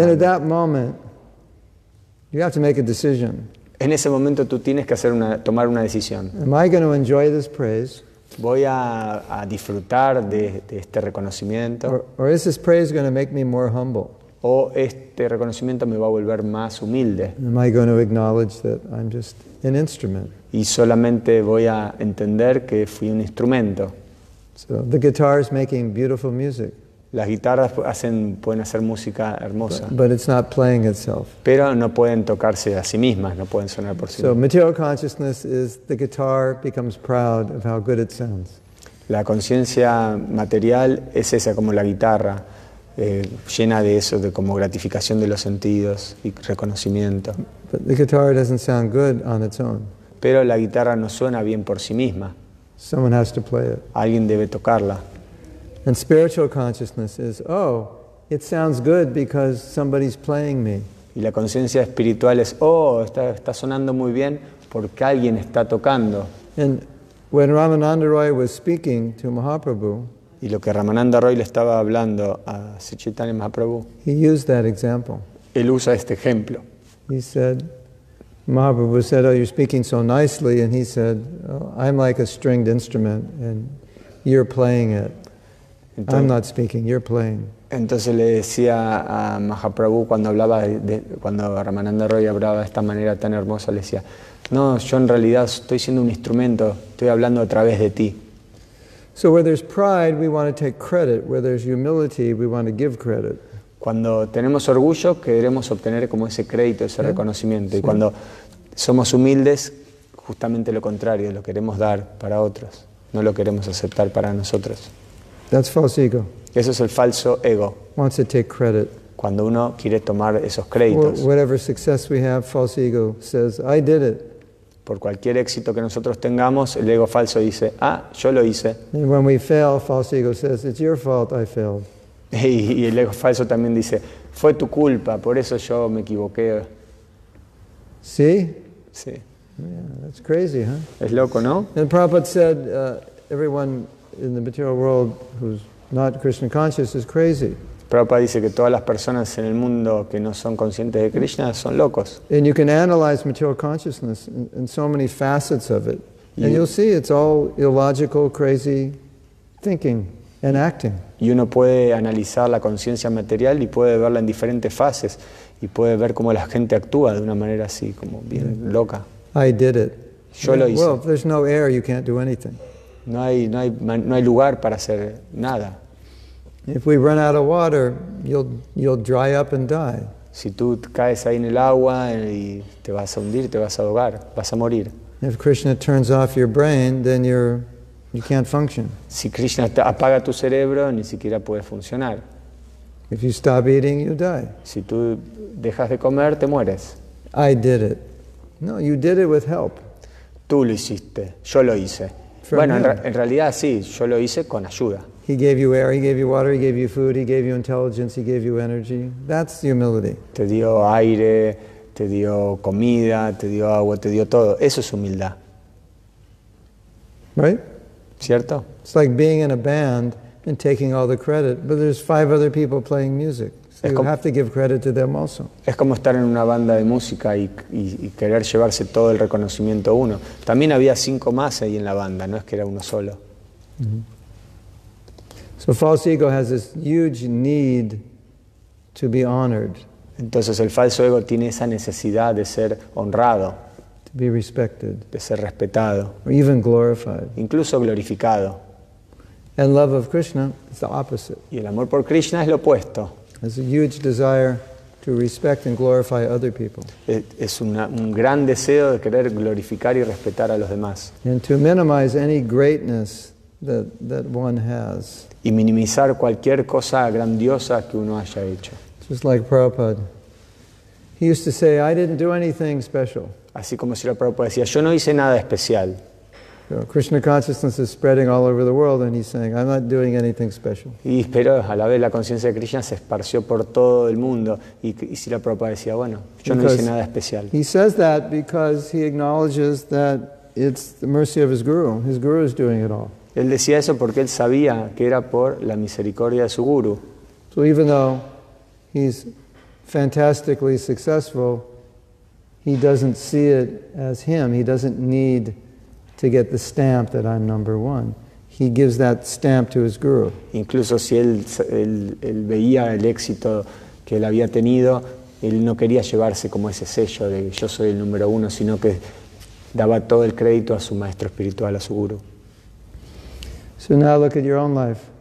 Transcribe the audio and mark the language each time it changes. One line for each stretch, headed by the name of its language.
English: then at that moment, you have to make a decision.
Spanish: En ese momento tú tienes que tomar una decisión.
English: Am I going to enjoy this praise?
Spanish: ¿Voy a disfrutar de este reconocimiento?
English: Or is this praise going to make me more humble?
Spanish: ¿O este reconocimiento me va a volver más humilde?
English: Am I going to acknowledge that I'm just an instrument?
Spanish: y solamente voy a entender que fui un instrumento.
English: So the guitar is making beautiful music.
Spanish: Las guitarras pueden hacer música hermosa.
English: But it's not playing itself.
Spanish: Pero no pueden tocarse a sí mismas, no pueden sonar por sí mismas.
English: So material consciousness is the guitar becomes proud of how good it sounds.
Spanish: La conciencia material es esa, como la guitarra, llena de eso, de como gratificación de los sentidos y reconocimiento.
English: But the guitar doesn't sound good on its own.
Spanish: Pero la guitarra no suena bien por sí misma.
English: Someone has to play it.
Spanish: Alguien debe tocarla.
English: And spiritual consciousness is, oh, it sounds good because somebody's playing me.
Spanish: Y la conciencia espiritual es, oh, está sonando muy bien porque alguien está tocando.
English: And when Rāmānanda Rāya was speaking to Mahāprabhu,
Spanish: y lo que Rāmānanda Rāya le estaba hablando a Śrī Caitanya Mahāprabhu,
English: he used that example.
Spanish: Él usa este ejemplo.
English: He said, Mahāprabhu said, oh, you're speaking so nicely, and he said, oh, I'm like a stringed instrument, and you're playing it. Entonces, I'm not speaking, you're playing.
Spanish: Entonces le decía a Mahaprabhu cuando Rāmānanda Rāya hablaba de esta manera tan hermosa, le decía, no, yo en realidad estoy siendo un instrumento, estoy hablando a través de ti.
English: So where there's pride, we want to take credit. Where there's humility, we want to give credit.
Spanish: Cuando tenemos orgullo, queremos obtener como ese crédito, ese reconocimiento. Sí. Y cuando somos humildes, justamente lo contrario, lo queremos dar para otros. No lo queremos aceptar para nosotros.
English: That's false ego.
Spanish: Eso es el falso ego.
English: Wants to take credit.
Spanish: Cuando uno quiere tomar esos créditos.
English: Whatever success we have, false ego says, I did it.
Spanish: Por cualquier éxito que nosotros tengamos, el ego falso dice, ah, yo lo hice. And when we fail, false ego says, it's your fault I failed. Y el ego falso también dice, fue tu culpa, por eso yo me equivoqué. ¿Sí? Sí.
English: Yeah, that's crazy, huh?
Spanish: Es loco, ¿no?
English: And Prabhupada said, everyone in the material world who's not Krishna conscious is crazy.
Spanish: Prabhupada dice que todas las personas en el mundo que no son conscientes de Krishna son locos.
English: And you can analyze material consciousness in so many facets of it. And you'll see it's all illogical, crazy thinking and acting.
Spanish: Y uno puede analizar la conciencia material y puede verla en diferentes fases y puede ver cómo la gente actúa de una manera así como bien loca.
English: I did it.
Spanish: Yo lo hice.
English: Well, if there's no air, you can't do anything.
Spanish: No hay lugar para hacer nada.
English: If we run out of water, you'll dry up and die.
Spanish: Si tú caes ahí en el agua y te vas a hundir, te vas a ahogar, vas a morir.
English: If Krishna turns off your brain, then you can't function.
Spanish: Si Krishna apaga tu cerebro, ni siquiera puedes funcionar.
English: If you stop eating, you die.
Spanish: Si tú dejas de comer, te mueres.
English: I did it. No, you did it with help.
Spanish: Tú lo hiciste. Yo lo hice. Bueno, en realidad sí, yo lo hice con ayuda.
English: He gave you air, he gave you water, he gave you food, he gave you intelligence, he gave you energy. That's humility.
Spanish: Te dio aire, te dio comida, te dio agua, te dio todo. Eso es humildad.
English: Right?
Spanish: ¿Cierto?
English: It's like being in a band and taking all the credit, but there's five other people playing music. So you have to give credit to them also.
Spanish: Es como estar en una banda de música y querer llevarse todo el reconocimiento uno. También había cinco más ahí en la banda, no es que era uno solo.
English: So false ego has this huge need to be honored.
Spanish: Entonces el falso ego tiene esa necesidad de ser honrado.
English: To be respected.
Spanish: De ser respetado.
English: Or even glorified.
Spanish: Incluso glorificado.
English: And love of Krishna is the opposite.
Spanish: Y el amor por Krishna es lo opuesto.
English: There's a huge desire to respect and glorify other people.
Spanish: Es un gran deseo de querer glorificar y respetar a los demás.
English: And to minimize any greatness that one has.
Spanish: Y minimizar cualquier cosa grandiosa que uno haya hecho.
English: Just like Prabhupada. He used to say, I didn't do anything special.
Spanish: Así como si la Prabhupada decía, yo no hice nada especial.
English: So Krishna consciousness is spreading all over the world and he's saying, I'm not doing anything special.
Spanish: Y pero a la vez la conciencia de Krishna se esparció por todo el mundo y si la Prabhupada decía, bueno, yo no hice nada especial.
English: He says that because he acknowledges that it's the mercy of his guru. His guru is doing it all.
Spanish: Él decía eso porque él sabía que era por la misericordia de su guru.
English: So even though he's fantastically successful, he doesn't see it as him. He doesn't need to get the stamp that I'm number one. He gives that stamp to his guru.
Spanish: Incluso si él veía el éxito que él había tenido, él no quería llevarse como ese sello de yo soy el número uno, sino que daba todo el crédito a su maestro espiritual, a su guru.
English: So now look at your own life.